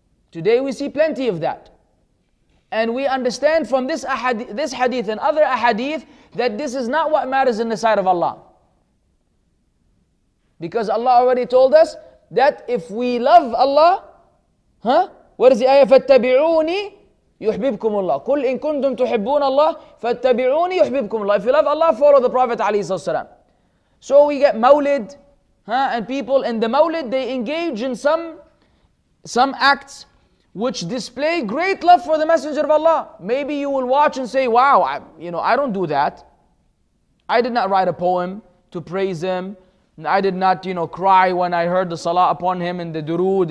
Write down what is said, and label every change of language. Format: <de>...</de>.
<en>Today we see plenty of that. And we understand from this hadith and other ahadith that this is not what matters in the sight of Allah. Because Allah already told us that if we love Allah, huh? What is the ayah?</en> <ar>فَاتَّبِعُونِي يُحْبِبْكُمُ اللَّهِ قُلْ إِن كُنْتُمْ تُحِبُّونَ اللَّهِ فَاتَّبِعُونِي يُحْبِبْكُمُ اللَّهِ.</ar> <en>If you love Allah, follow the Prophet</en> <ar>عليه الصلاة والسلام.</ar> <en>So we get mawlid, huh? And people in the mawlid, they engage in some acts which display great love for the Messenger of Allah. Maybe you will watch and say, wow, I don't do that. I did not write a poem to praise him. And I did not, cry when I heard the salah upon him and the durood.</en>